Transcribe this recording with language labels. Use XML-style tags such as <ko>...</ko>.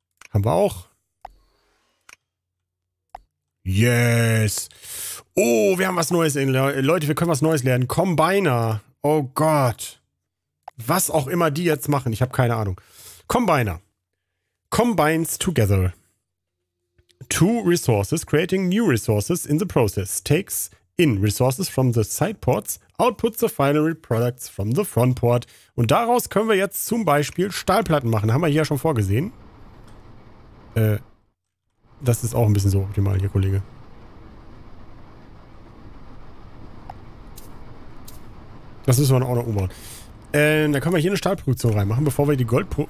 <de>Haben wir auch.</de> <en>Yes.</en> <de>Oh, wir haben was Neues in Le Leute, wir können was Neues lernen. Combiner. Oh Gott. Was auch immer die jetzt machen, ich habe keine Ahnung.</de> <en>Combiner. Combines together. Two resources, creating new resources in the process. Takes in resources from the side ports, outputs the final products from the front port.</en> <de>Und daraus können wir jetzt zum Beispiel Stahlplatten machen. Haben wir hier schon vorgesehen. Das ist auch ein bisschen so optimal hier, Kollege. Das müssen wir dann auch noch umbauen. Dann können wir hier eine Stahlproduktion reinmachen, bevor wir die Goldpro.</de>